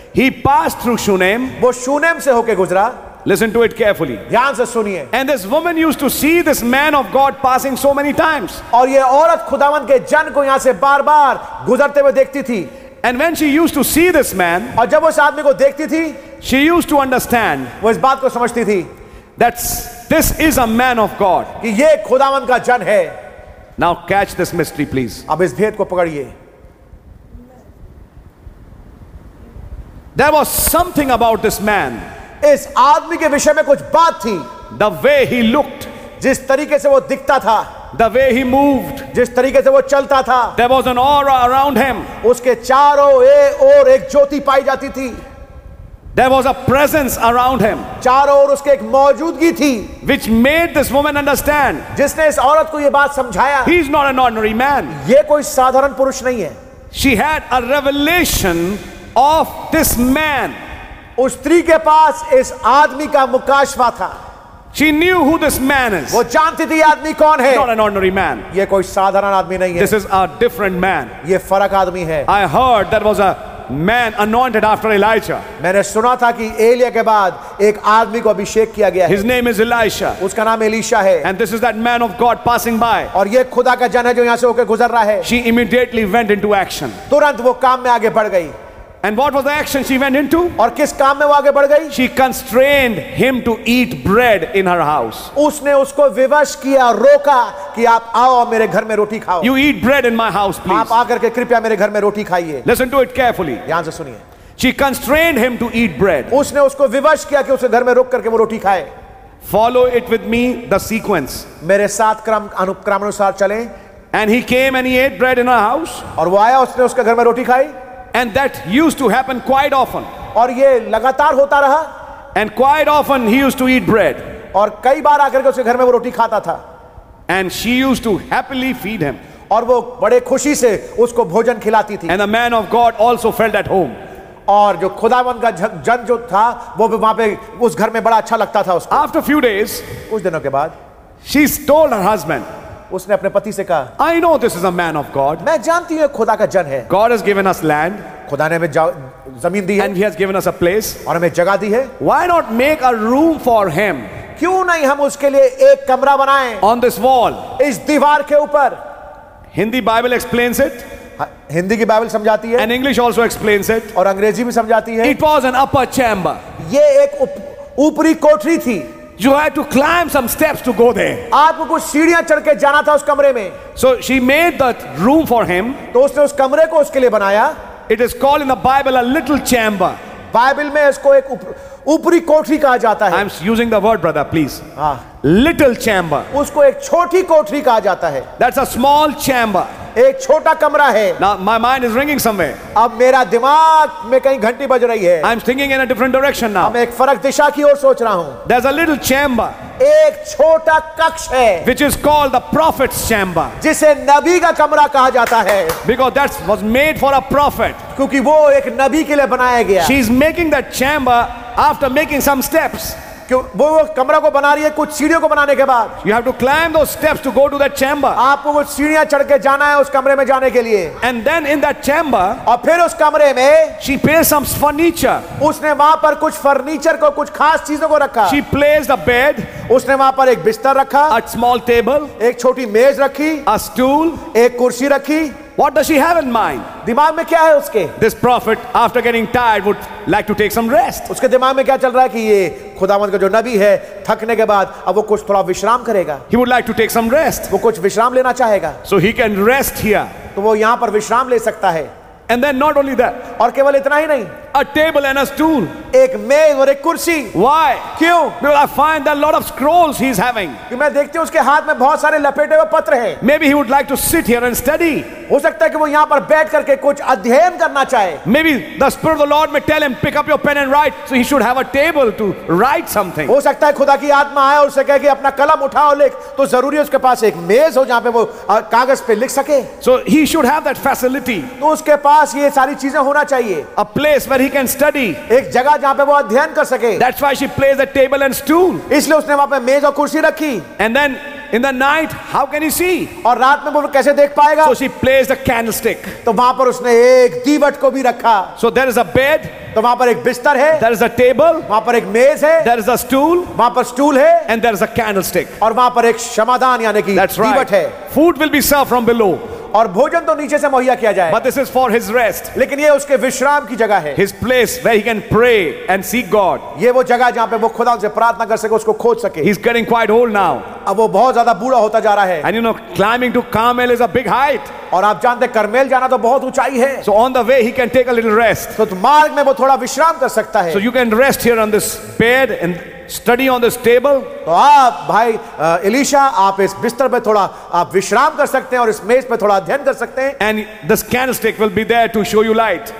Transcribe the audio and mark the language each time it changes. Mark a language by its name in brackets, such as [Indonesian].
[English] He passed through Shunem. [Hindi] वो Shunem से होके गुजरा. [English] Listen to it carefully. [Hindi] ध्यान से सुनिए. [English] And this woman used to see this man of God passing so many times. [Hindi] और ये औरत खुदावन के जन को यहाँ से बार बार गुजरते हुए देखती थी. [English] And when she used to see this man. [Hindi] और जब उस आदमी को देखती थी. [English] She used to understand. [Hindi] वो इस बात को समझती थी. [English] That's this is a man of God. [Hindi] कि ये खुदावन का जन है. [English] Now catch this mystery please. [Hindi] अब इस भेद को पकड़िए. [English] There was something about this man. [Hindi] इस आदमी के विषय में कुछ बात थी. [English] The way he looked. [Hindi] जिस तरीके से वो दिखता था. [English] The way he moved. [Hindi] जिस तरीके से वो चलता था. [English] There was an aura around him. [Hindi] उसके चारों ओर एक ज्योति पाई जाती थी. [English] There was a presence around him. [Hindi] चारों ओर उसके एक मौजूदगी थी. [English] Which made this woman understand. [Hindi] जिसने इस औरत को ये बात समझाया. [English] He is not an ordinary man. [Hindi] ये कोई साधारण पुरुष नहीं है. [English] She had a revelation of this man. [Hindi] उस स्त्री के पास इस आदमी का मुकाशवा था. [English] She knew who this man is. [Hindi] वो जानती थी आदमी कौन है. [English] Not an ordinary man. [Hindi] ये कोई साधारण आदमी नहीं है. [English] This is a different man. [Hindi] ये फरक आदमी है. [English] I heard there was a man anointed after Elijah. [Hindi] मैंने सुना था कि एलिया के बाद एक आदमी को अभिषेक किया गया. [English] His name is Elisha. [Hindi] उसका नाम एलिशा है. [English] And this is that man of God passing by. [Hindi] और ये खुदा का जन है जो यहाँ से होकर गुजर रहा है. [English] She immediately went into action. [Hindi] तुरंत वो काम में आगे बढ़ गई. [English] And what was the action she went into? [Hindi] और किस काम में वो आगे बढ़ गई? [English] She constrained him to eat bread in her house. [Hindi] उसने उसको विवश किया, रोका कि आप आओ मेरे घर में रोटी खाओ. [English] You eat bread in my house, please. [Hindi] आप आकर के कृपया मेरे घर में रोटी खाइए. [English] Listen to it carefully. [Hindi] ध्यान से सुनिए. [English] She constrained him to eat bread. [Hindi] उसने उसको विवश किया कि उसे घर में रोक करके वो रोटी खाए. [English] Follow it with me the sequence. [Hindi] मेरे साथ क्रम अनुक्रम अनुसार चलें. [English] And he came and he ate bread in her house. [Hindi] और वो आया, उसने उसके घर में रोटी खाई. [English] And that used to happen quite often. [Hindi] और ये लगातार होता रहा. [English] And quite often he used to eat bread. [Hindi] और कई बार आकर के उसके घर में वो रोटी खाता था. [English] And she used to happily feed him. [Hindi] और वो बड़े खुशी से उसको भोजन खिलाती थी. [English] And the man of God also felt at home. [Hindi] और जो खुदावंद का जन जो था वो भी वहाँ पे उस घर में बड़ा अच्छा लगता था उसको. [English] After few days, [Hindi] कुछ दिनों के बाद, [English] she told her husband. [Hindi] उसने अपने पति से कहा, [English] I know this is a man of God. [Hindi] मैं जानती हूँ खुदा का जन है. [English] God has given us land. [Hindi] खुदा ने हमें ज़मीन दी है. [English] And he has given us a place. [Hindi] और हमें जगह दी है. [English] Why not make a room for him? [Hindi] क्यों नहीं हम उसके लिए एक कमरा बनाएं? [English] On this wall. [Hindi] इस दीवार के ऊपर. [English] Hindi Bible explains it. [Hindi] Hindi की बाइबल समझाती है. [English] And English also explains it. [Hindi] और अंग्रेजी भी समझाती है. [English] It was an upper chamber. [Hindi] ये एक ऊपरी कोठरी थी. [English] You had to climb some steps to go there. [Hindi] आपको कुछ सीढ़ियाँ चढ़के जाना था उस कमरे में. [English] So she made that room for him. [Hindi] तो उसने उस कमरे को उसके लिए बनाया. [English] It is called in the Bible a little chamber. [Hindi] Bible में इसको एक ऊपरी कोठरी कहा जाता है. [English] I'm using the word, brother, please. Little chamber. [Hindi] उसको एक छोटी कोठरी कहा जाता है. [English] That's a small chamber. [Hindi] एक छोटा कमरा है. [English] Now my mind is ringing somewhere. [Hindi] अब मेरा दिमाग में कहीं घंटी बज रही है. [English] I'm thinking in a different direction now. [Hindi] अब मैं एक फर्क दिशा की ओर सोच रहा हूँ. [English] There's a little chamber. [Hindi] एक छोटा कक्ष है. [English] Which is called the prophet's chamber. [Hindi] जिसे नबी का कमरा कहा जाता है. [English] Because that was made for a prophet. [Hindi] क्योंकि वो एक नबी के लिए बनाया गया. [English] She's making that chamber after making some steps. [Hindi] वो कमरा को बना रही है कुछ सीढ़ियों को बनाने के बाद. [English] You have to climb those steps to go to that chamber. [Hindi] आपको वो सीढ़ियाँ चढ़ के जाना है उस कमरे में जाने के लिए. [English] And then in that chamber, [Hindi] और फिर उस कमरे में, [English] she placed some furniture. [Hindi] उसने वहाँ पर कुछ फर्नीचर को कुछ खास चीजों को रखा. [English] She placed a bed. [Hindi] उसने वहाँ पर एक बिस्तर रखा. [English] A small table. [Hindi] एक छोटी मेज रखी. [English] A stool. [Hindi] एक कुर्सी रखी. [English] What does she have in mind? [Hindi] दिमाग में क्या है उसके? [English] This prophet, after getting tired, would like to take some rest. [Hindi] उसके दिमाग में क्या चल रहा है कि ये खुदावंद का जो नबी है, थकने के बाद अब वो कुछ थोड़ा विश्राम करेगा. [English] He would like to take some rest. [Hindi] वो कुछ विश्राम लेना चाहेगा. [English] So he can rest here. [Hindi] तो वो यहाँ पर विश्राम ले सकता है. [English] And then not only that. [Hindi] और केवल इतना ही नहीं. [English] A table and a stool. [Hindi] एक मेज और एक कुर्सी. [English] Why? [Hindi] क्यों? [English] Because I find that a lot of scrolls he's having. [Hindi] कि मैं देखती हूँ उसके हाथ में बहुत सारे लपेटे हुए पत्र हैं. [English] Maybe he would like to sit here and study. [Hindi] हो सकता है कि वो यहाँ पर बैठ करके कुछ अध्ययन करना चाहे. [English] Maybe the spirit of the Lord may tell him, pick up your pen and write. So he should have a table to write something. [Hindi] हो सकता है खुदा की आत्मा आए और उसे कहे कि अपना कलम उठाओ लिख. तो जरूरी है उसके पास एक मेज हो जहाँ पे वो कागज पे लिख सके. [English] So he should have that facility. [Hindi] तो उसके पास ये सारी चीजें होना चाहिए. [English] A place where he can study. [Hindi] एक जगह जहाँ पे वो अध्ययन कर सके. [English] That's why she placed a table and stool. [Hindi] इसलिए उसने वहाँ पे मेज और कुर्सी रखी. [English] And then in the night, how can he see? [Hindi] और रात में वो कैसे देख पाएगा? [English] So she placed a candlestick. [Hindi] तो वहाँ पर उसने एक दीवट को भी रखा. [English] So there is a bed. [Hindi] तो वहाँ पर एक बिस्तर है. [English] There is a table. [Hindi] वहाँ पर एक मेज है. [English] There is a stool. [Hindi] वहाँ पर स्टूल है. [English] And there is a candlestick. [Hindi] और वहाँ पर एक शमादान यानी कि दीवट है. That's [English] Food will be served from below. [Hindi] और भोजन तो नीचे से मुहैया किया जाए. [English] But this is for his rest. [Hindi] लेकिन ये उसके विश्राम की जगह है. [English] His place where he can pray and seek God. [Hindi] ये वो जगह जहाँ पे वो खुदा से प्रार्थना कर सके, उसको खोज सके. [English] He's getting quite old now. [Hindi] अब वो बहुत ज़्यादा बूढ़ा होता जा रहा है. [English] And you know, climbing to Carmel is a big height. [Hindi] और आप जानते हैं कर्मेल जाना तो बहुत ऊंचाई है. [English] So on the way he can take a little rest. [Hindi] तो मार्ग में वो थोड़ा विश्राम कर सकता है. [English] So you can rest here on this bed and study on this table. [Hindi] तो आप भाई एलिशा आप इस बिस्तर पे थोड़ा आप विश्राम कर सकते हैं और इस मेज पे थोड़ा अध्ययन कर सकते हैं. [English] And this candlestick will be there to show you light.